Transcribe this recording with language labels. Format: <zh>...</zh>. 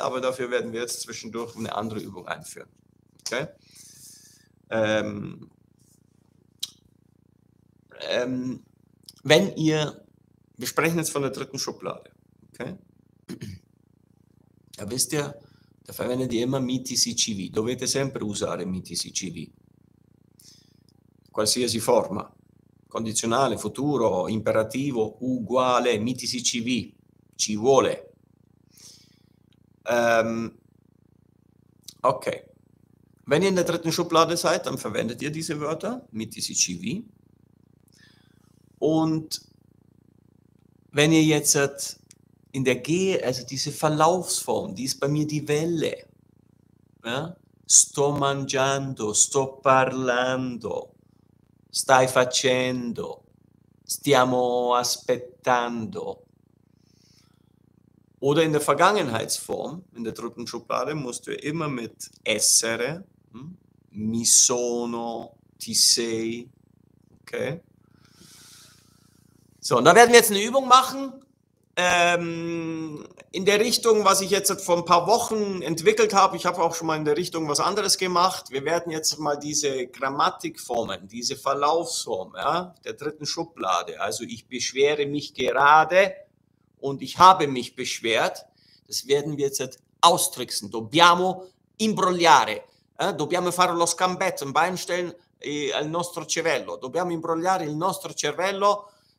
<de>Aber dafür werden wir jetzt zwischendurch eine andere Übung einführen. Okay? Wenn ihr, wir sprechen jetzt von der dritten Schublade, okay? Da wisst ihr, da verwendet ihr immer</de> <it>miti si civi. Dovete sempre usare miti si civi. Qualsiasi forma, condizionale, futuro, imperativo, uguale, miti si civi, ci vuole.</it> <de>Okay, wenn ihr in der dritten Schublade seid, dann verwendet ihr diese Wörter,</de> <it>miti si civi.</it> <de>Und wenn ihr jetzt in der Gehe, also diese Verlaufsform, die ist bei mir die Welle. Ja?</de> <it>Sto mangiando, sto parlando, stai facendo, stiamo aspettando.</it> <de>Oder in der Vergangenheitsform, in der dritten Schublade, musst du immer mit essere,</de> <it>mi sono, ti sei,</it> <de>okay? So, und da werden wir jetzt eine Übung machen, in der Richtung, was ich jetzt vor ein paar Wochen entwickelt habe. Ich habe auch schon mal in der Richtung was anderes gemacht. Wir werden jetzt mal diese Grammatikformen, diese Verlaufsform, ja, der dritten Schublade, also ich beschwere mich gerade und ich habe mich beschwert, das werden wir jetzt austricksen.</de> <it>Dobbiamo imbrogliare, dobbiamo fare lo scambetto,</it> <de>ein Bein stellen</de> <it>al nostro cervello, dobbiamo imbrogliare il nostro cervello.</it>